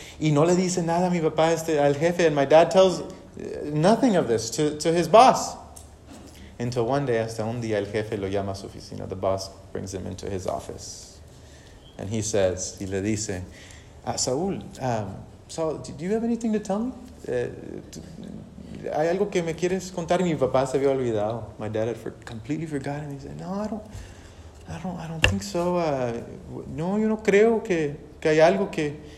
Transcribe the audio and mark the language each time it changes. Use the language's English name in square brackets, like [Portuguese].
[Spanish] Y no le dice nada a mi papá al jefe. [English] And my dad tells nothing of this to his boss. Until one day, [Spanish] hasta un día, el jefe lo llama a su oficina. [English] The boss brings him into his office. And he says, [Spanish] y le dice, [English] Saúl, Saul, do you have anything to tell me? [Spanish] ¿Hay algo que me quieres contar? Mi papá se había olvidado. [English] My dad had completely forgotten. He said, no, I don't think so. [Spanish] No, yo no creo que hay algo que...